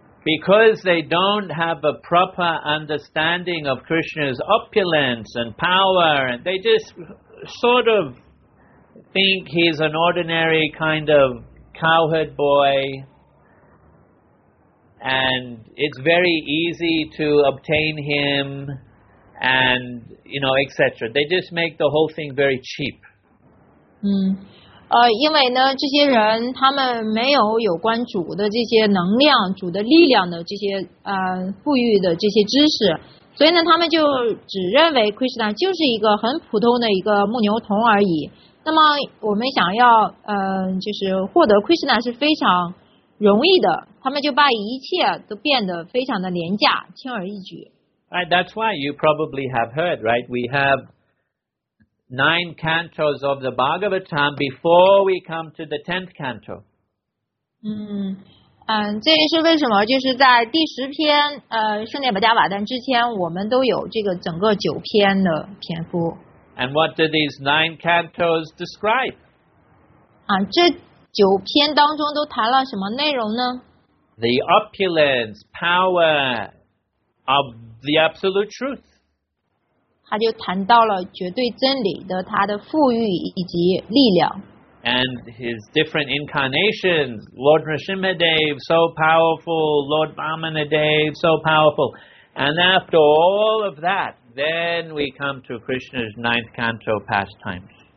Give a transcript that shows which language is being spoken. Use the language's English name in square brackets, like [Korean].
[English] because they don't have a proper understanding of Krishna's opulence and power, and they just sort of think he's an ordinary kind of cowherd boy, and it's very easy to obtain him, and, you know, etc. They just make the whole thing very cheap. Mm. [Chinese] 因为呢，这些人他们没有有关主的这些能量、主的力量的这些富裕的这些知识，所以呢，他们就只认为 Krishna 就是一个很普通的一个牧牛童而已。那么我们想要就是获得 Krishna 是非常容易的，他们就把一切都变得非常的廉价、轻而易举。 [English] Right, that's why you probably have heard, right? We have nine cantos of the Bhagavatam before we come to the tenth canto. [Chinese] 这也是为什么就是在第十篇圣殿巴加瓦旦之前我们都有这个整个九篇的篇幅。 [English] And what do these nine cantos describe? [Chinese] 这九篇当中都谈了什么内容呢? [English] The opulence, power of the absolute truth. [Chinese] 他就谈到了绝对真理的他的富裕以及力量 [English] and his different incarnations, Lord Narasimhadev so powerful, Lord Vamanadev so powerful, and after all of that, then we come to Krishna's ninth canto pastimes.